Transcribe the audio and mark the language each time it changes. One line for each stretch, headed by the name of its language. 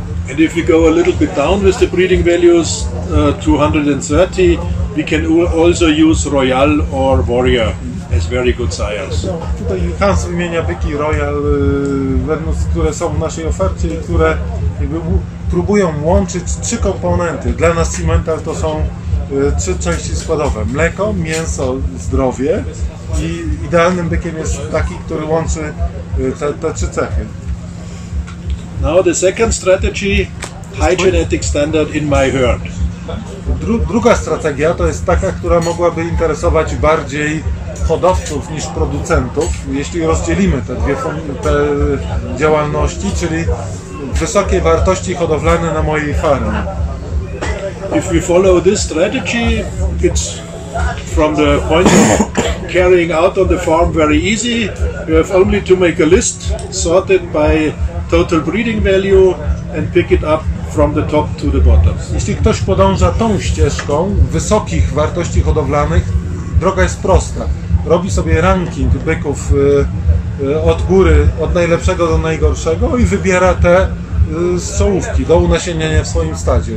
English: And if we go a little bit down with the breeding values, 230, we can also use Royal or Warrior as very good sires.
Polish: Tutaj Hans wymienia byki Royal, które są w naszej ofercie i które próbują łączyć trzy komponenty. Dla nas Simental to są trzy części składowe. Mleko, mięso, zdrowie. I idealnym bykiem jest taki, który łączy te trzy cechy.
English: Now the second strategy, high genetic standard in my herd.
Polish: Druga strategia to jest taka, która mogłaby interesować bardziej hodowców niż producentów, jeśli rozdzielimy te dwie działalności, czyli wysokie wartości hodowlane na mojej farmie.
English: If we follow this strategy, it's from the point of carrying out on the farm very easy. You have only to make a list, sort it by total breeding value and pick it up from the top to the bottom.
Polish: Jeśli ktoś podąża tą ścieżką wysokich wartości hodowlanych, droga jest prosta. Robi sobie ranking byków od góry, od najlepszego do najgorszego i wybiera te z czołówki do unasiennienia w swoim stadzie.